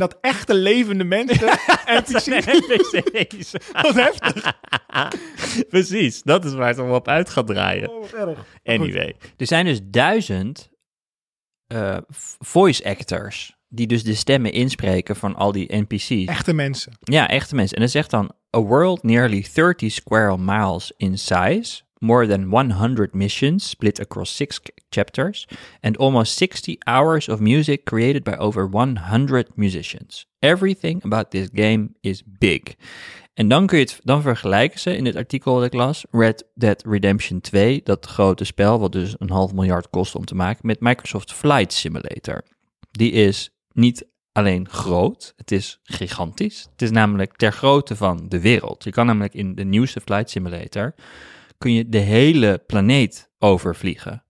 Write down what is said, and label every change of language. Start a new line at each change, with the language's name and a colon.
Dutch: En dat echte levende mensen NPC's. NPC's. Wat heftig. Precies, dat is waar het allemaal op uit gaat draaien. Oh, wat erg.
English: Anyway.
Dutch: Goed. Er zijn dus 1000 voice actors die dus de stemmen inspreken van al die NPC's. Echte mensen. Ja, echte mensen. En dat zegt dan,
English: a world nearly 30 square miles in size, more than 100 missions split across 6 chapters, and almost 60 hours of music created by over 100 musicians. Everything about this game is big.
Dutch: En dan kun je het, dan vergelijken ze in het artikel dat ik las, Red Dead Redemption 2, dat grote spel, wat dus een half miljard kost om te maken, met Microsoft Flight Simulator. Die is niet alleen groot, het is gigantisch. Het is namelijk ter grootte van de wereld. Je kan namelijk in de nieuwste Flight Simulator kun je de hele planeet overvliegen.